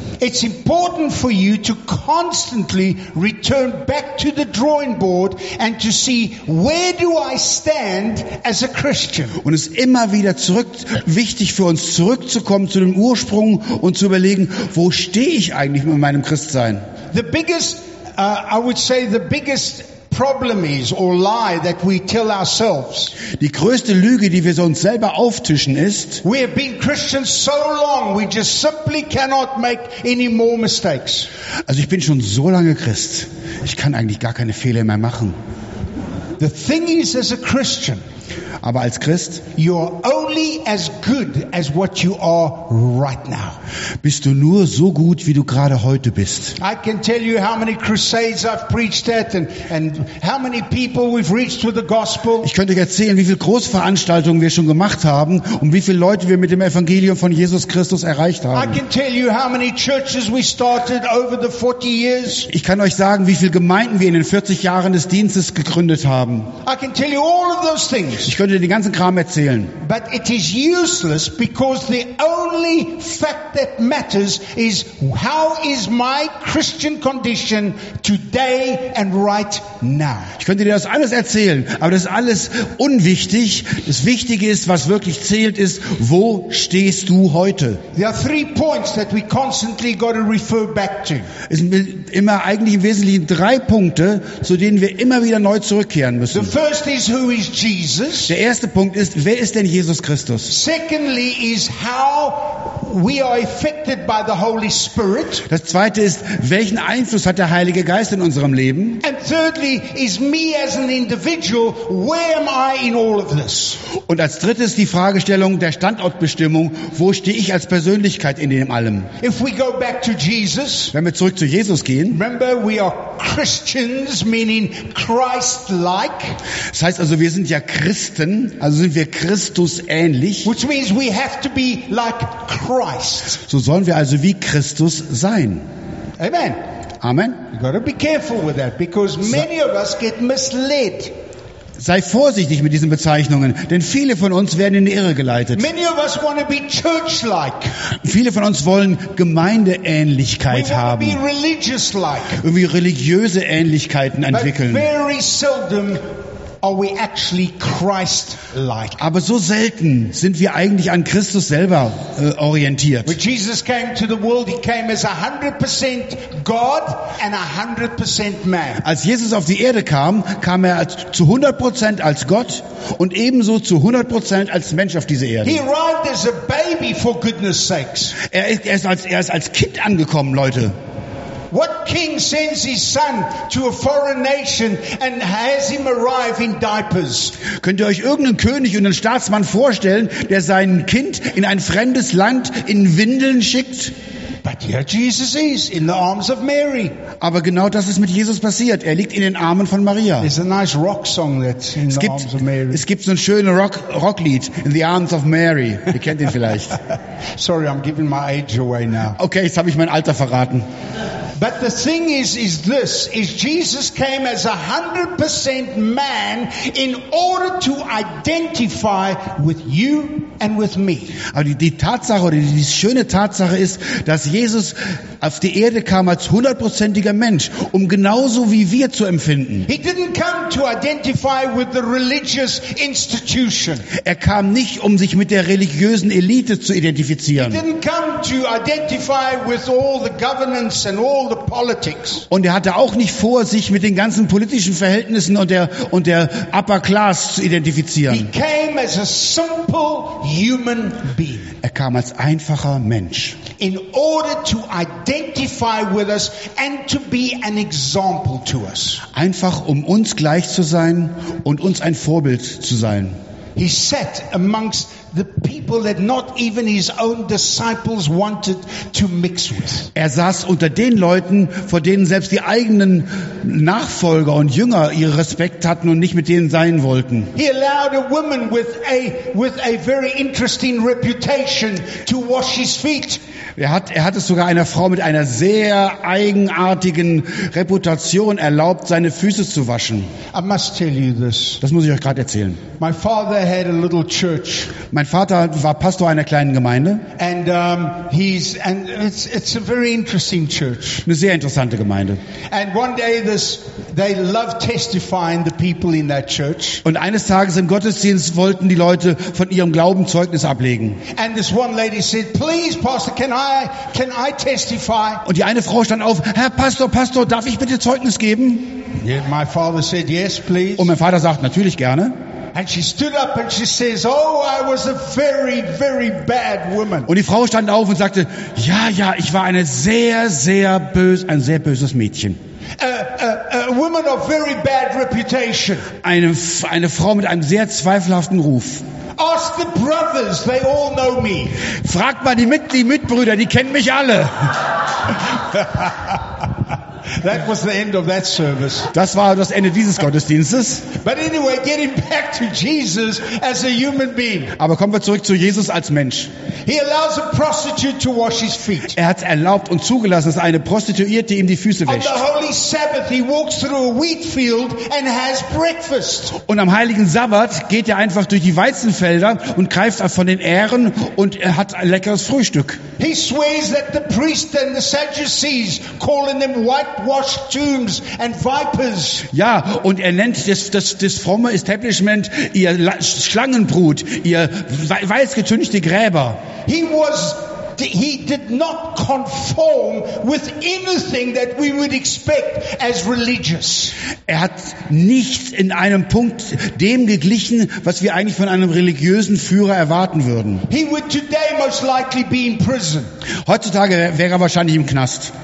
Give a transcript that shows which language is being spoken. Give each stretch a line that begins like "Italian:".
English: It's important for you to constantly return back to the drawing board and to see where do I stand as a Christian.
German: Und es ist immer wieder wichtig für uns zurückzukommen zu dem Ursprung und zu überlegen, wo stehe ich eigentlich mit meinem Christsein?
English: The biggest problem is or lie that we tell ourselves.
German: Die größte Lüge, die wir uns selber auftischen, ist:
English: we have been Christians so long, we just simply cannot make any more mistakes.
German: Also ich bin schon so lange Christ, ich kann eigentlich gar keine Fehler mehr machen.
English: The thing is, as a Christian,
German: aber als Christ,
English: you're only as good as what you are right now.
German: Bist du nur so gut, wie du gerade heute bist.
English: I can tell you how many crusades I've preached at and how many people we've reached with the gospel.
German: Ich könnte erzählen, wie viele Großveranstaltungen wir schon gemacht haben und wie viele Leute wir mit dem Evangelium von Jesus Christus erreicht haben.
English: I can tell you how many churches we started over the 40 years.
German: Ich kann euch sagen, wie viele Gemeinden wir in den 40 Jahren des Dienstes gegründet haben.
English: I can tell you all of those things.
German: Ich könnte dir den ganzen Kram erzählen.
English: But it is useless because the only fact that matters is how is my Christian condition today and right now.
German: Ich könnte dir das alles erzählen, aber das ist alles unwichtig. Das Wichtige ist, was wirklich zählt, ist, wo stehst du heute?
English: There are three points that we constantly got to refer back to.
German: Es sind immer eigentlich im Wesentlichen drei Punkte, zu denen wir immer wieder neu zurückkehren. lernen müssen.
English: The first is, who is Jesus?
German: Der erste Punkt ist, wer ist denn Jesus Christus?
English: Secondly is how we are affected by the Holy Spirit.
German: Das zweite ist, welchen Einfluss hat der Heilige Geist in unserem Leben?
English: And thirdly is, me as an individual, where am I in all of this?
German: Und als drittes die Fragestellung der Standortbestimmung, wo stehe ich als Persönlichkeit in dem allem?
English: If we go back to Jesus,
German: wenn wir zurück zu Jesus gehen,
English: remember, we are Christians, meaning Christ-like.
German: Das heißt also, wir sind ja Christen, also sind wir Christus ähnlich.
English: Which means we have to be like Christ.
German: So sollen wir also wie Christus sein.
English: Amen.
German: Amen.
English: You got to be careful with that, because many of us get misled.
German: Sei vorsichtig mit diesen Bezeichnungen, denn viele von uns werden in die Irre geleitet.
English: Many of us want to be church-like.
German: Viele von uns wollen Gemeindeähnlichkeit haben.
English: We want to be religious-like.
German: Irgendwie religiöse Ähnlichkeiten entwickeln.
English: But very seldom are we actually Christ-like.
German: Aber so selten sind wir eigentlich an Christus selber orientiert.
English: When Jesus came to the world, he came as 100% God and 100% man.
German: Als Jesus auf die Erde kam, kam er zu 100% als Gott und ebenso zu 100% als Mensch auf diese Erde.
English: He arrived as a baby, for goodness sakes.
German: Er ist als Kind angekommen, Leute.
English: What king sends his son to a foreign nation and has him arrive in diapers?
German: Könnt ihr euch irgendeinen König und einen Staatsmann vorstellen, der sein Kind in ein fremdes Land in Windeln schickt?
English: But here Jesus is in the arms of Mary.
German: Aber genau das ist mit Jesus passiert. Er liegt in den Armen von Maria.
English: There's a nice rock song that's in the arms of Mary.
German: Es gibt so ein schönes Rocklied,
English: in the arms of Mary.
German: Ihr kennt ihn vielleicht.
English: Sorry, I'm giving my age away now.
German: Okay, jetzt habe ich mein Alter verraten.
English: But the thing is this, is Jesus came as 100% man in order to identify with you and with me.
German: Aber die Tatsache oder die schöne Tatsache ist, dass Jesus auf die Erde kam als 100%iger Mensch, um genauso wie wir zu empfinden.
English: He didn't come to identify with the religious institution.
German: Er kam nicht, um sich mit der religiösen Elite zu identifizieren.
English: He didn't come to identify with all the governance and all the politics.
German: Und er hatte auch nicht vor, sich mit den ganzen politischen Verhältnissen und der Upper Class zu identifizieren.
English: He came as a simple human being.
German: Er kam als einfacher Mensch.
English: In order to identify with us and to be an example to us.
German: Einfach um uns gleich zu sein und uns ein Vorbild zu sein.
English: He sat amongst the people that not even his own disciples wanted to mix with.
German: Er saß unter den Leuten, vor denen selbst die eigenen Nachfolger und Jünger ihren Respekt hatten und nicht mit denen sein wollten.
English: He allowed a woman with a very interesting reputation to wash his feet.
German: Er hat es sogar einer Frau mit einer sehr eigenartigen Reputation erlaubt, seine Füße zu waschen.
English: I must tell you this.
German: Das muss ich euch gerade erzählen.
English: My father had a little church.
German: Mein Vater war Pastor einer kleinen Gemeinde.
English: And it's a very interesting church.
German: Eine sehr interessante Gemeinde.
English: And one day they loved testifying the people in that church.
German: Und eines Tages im Gottesdienst wollten die Leute von ihrem Glauben Zeugnis ablegen.
English: And this one lady said, please, Pastor, can I testify?
German: Und die eine Frau stand auf, Herr Pastor, darf ich bitte Zeugnis geben?
English: Yeah, my father said, yes, please.
German: Und mein Vater sagt, natürlich gerne.
English: And she stood up and she says, oh, I was a very, very bad woman.
German: Und die Frau stand auf und sagte, ja, ich war eine sehr, sehr böse, ein sehr böses Mädchen.
English: A woman of very bad reputation.
German: Eine Frau mit einem sehr zweifelhaften Ruf.
English: Ask the brothers, they all know me.
German: Frag mal die Mitbrüder, die kennen mich alle.
English: That was the end of that service.
German: Das war das Ende dieses Gottesdienstes.
English: But anyway, getting back to Jesus as a human being.
German: Aber kommen wir zurück zu Jesus als Mensch.
English: He allows a prostitute to wash his feet.
German: Er hat erlaubt und zugelassen, dass eine Prostituierte ihm die Füße wäscht.
English: On the holy Sabbath, he walks through a wheat field and has breakfast.
German: Und am heiligen Sabbat geht er einfach durch die Weizenfelder und greift von den Ähren und er hat ein leckeres Frühstück.
English: He swears that the priest and the Sadducees calling them white washed tombs and vipers.
German: Ja, und er nennt das fromme Establishment ihr Schlangenbrut, ihr weißgetünchte Gräber.
English: He was he did not conform with anything that we would expect as religious.
German: Er hat nichts in einem Punkt dem geglichen, was wir eigentlich von einem religiösen Führer erwarten würden.
English: He would today most likely be in prison.
German: Heutzutage wäre er wahrscheinlich im Knast.